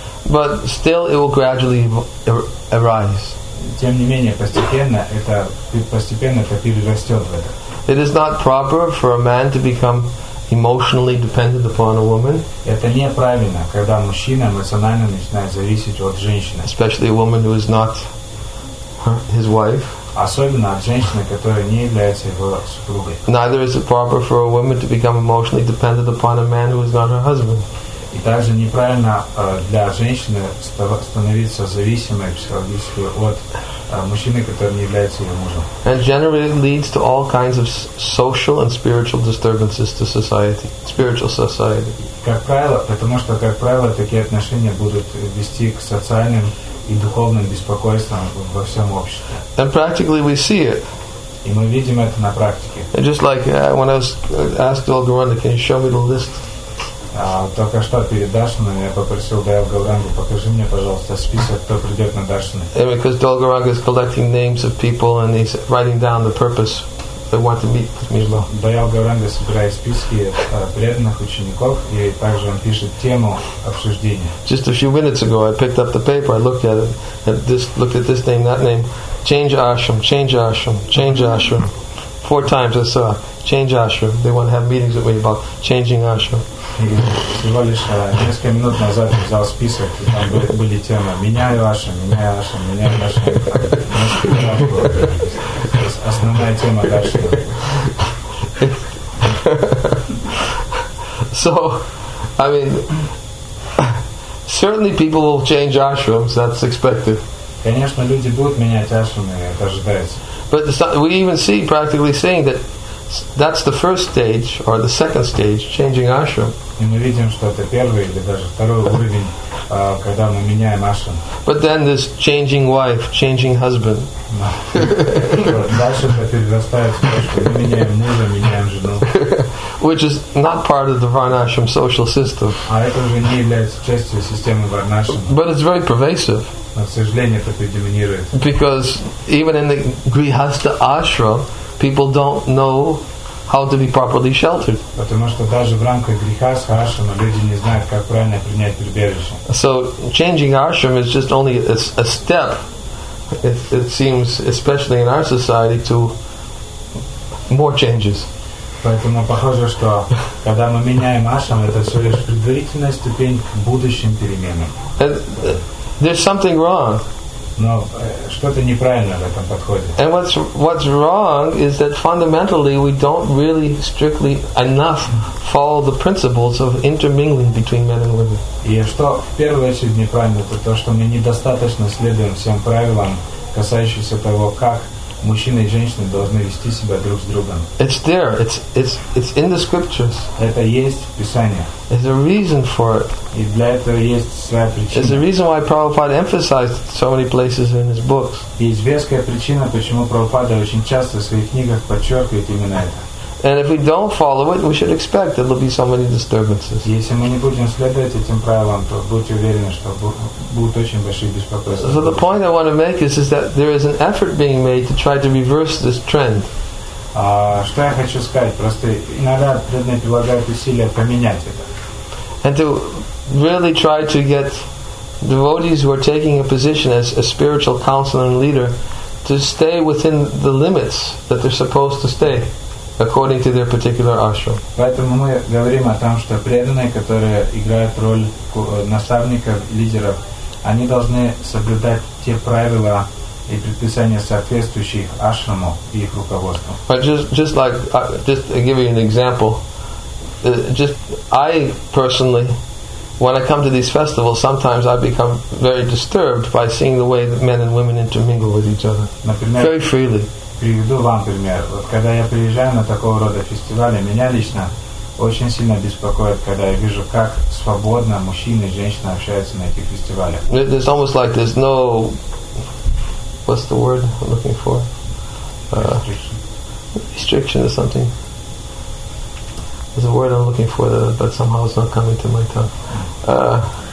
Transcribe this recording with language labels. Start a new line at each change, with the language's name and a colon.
English: But still it will gradually arise.
Russian: Тем не менее, постепенно это перерастет в это.
English: It is not proper for a man to become emotionally dependent upon a woman.
Russian: Это неправильно, когда мужчина эмоционально начинает зависеть от женщины.
English: Especially a woman who is not his wife.
Russian: Особенно от женщины, которая не является его супругой.
English: Neither is it proper for a woman to become emotionally dependent upon a man who is not her husband.
Russian: И также неправильно для женщины становиться зависимой психологически от мужчины, который не является ее мужем.
English: And generally it leads to all kinds of social and spiritual disturbances to society, spiritual society.
Russian: Как правило, потому что, как правило, такие отношения будут вести к социальным и духовным беспокойством во всем обществе.
English: And practically we see it.
Russian: И мы видим это на практике.
English: And just like when I was asked Dale Gauranga, can you show me the list?
Russian: Только что перед Даршином я попросил Дайл Гаурангу, покажи мне, пожалуйста, список, кто придет на Даршин.
English: And because Dale Gauranga is collecting names of people and he's writing down the purpose they want to meet with me.
Russian: Дайл Гауранга собирает списки преданных учеников и также он пишет тему обсуждения.
English: Just a few minutes ago I picked up the paper, I looked at it, and this looked at this name, that name. Change ashram, change ashram, change ashram. Four times I saw change ashram. They want to have meetings with me about changing ashram.
Russian: Всего лишь несколько минут назад взял список, и там были темы «Меняю ашрам», «Меняю ашрам», «Меняю ашрам». Основная тема ашрам.
English: So, I mean, certainly people will change ashrams, that's expected.
Russian: Конечно, люди будут менять ашрамы, это ожидается.
English: But we even see, practically seeing, that that's the first stage, or the second stage, changing ashram.
Russian: И мы видим, что это первый или даже второй уровень, когда мы меняем ашрам.
English: But then this changing wife, changing husband.
Russian: Дальше это перерастает в то, что мы меняем мужа, меняем жену.
English: Which is not part of the Varnashram social system.
Russian: А это уже не является частью системы Варнашрама.
English: But it's very pervasive.
Russian: Но, к сожалению, это предоминирует.
English: Because even in the Grihastha ashram, people don't know how to be properly sheltered.
Russian: Потому что даже в рамках Грихастха ашрама люди не знают, как правильно принять прибежище.
English: So changing ashram is just only a step. It seems, especially in our society, to more changes.
Russian: Поэтому похоже, что когда мы меняем ашрам, это всего лишь предварительная ступень к будущим переменам.
English: There's something wrong.
Russian: Но что-то неправильно в этом подходе.
English: And what's wrong is that fundamentally we don't really strictly enough follow the principles of intermingling between men and women.
Russian: И что в первую очередь неправильно, это то, что мы недостаточно следуем всем правилам, касающимся того, как мужчины и женщины должны вести себя друг с другом.
English: It's there. It's in the scriptures.
Russian: Это есть в Писании.
English: There's a reason for it.
Russian: И для этого есть своя причина.
English: There's a reason why Prabhupada emphasized so many places in his books.
Russian: Есть веская причина, почему Прабхупада очень часто в своих книгах подчеркивает именно это.
English: And if we don't follow it, we should expect there will be so many disturbances.
Russian: Если мы не будем следовать этим правилам, то будьте уверены, что будут очень большие беспокойства.
English: So the point I want to make is that there is an effort being made to try to reverse this trend.
Russian: Что я хочу сказать? Просто иногда преданные прилагают усилия поменять это.
English: And to really try to get devotees who are taking a position as a spiritual counselor and leader to stay within the limits that they're supposed to stay according to their particular ashram.
Russian: Поэтому мы говорим о том, что преданные, которые играют роль наставников, лидеров, они должны соблюдать те правила и предписания, соответствующие ашраму и их руководству.
English: But just to give you an example, just I personally, when I come to these festivals, sometimes I become very disturbed by seeing the way that men and women intermingle with each other.
Russian: Например,
English: very freely.
Russian: Приведу вам пример. Вот когда я приезжаю на такого рода фестивали, меня лично очень сильно беспокоит, когда я вижу, как свободно мужчины и женщины общаются на этих фестивалях.
English: It's almost like there's no, what's the word I'm looking for? Restriction or something. There's a word I'm looking for, that, but somehow it's not coming to my tongue.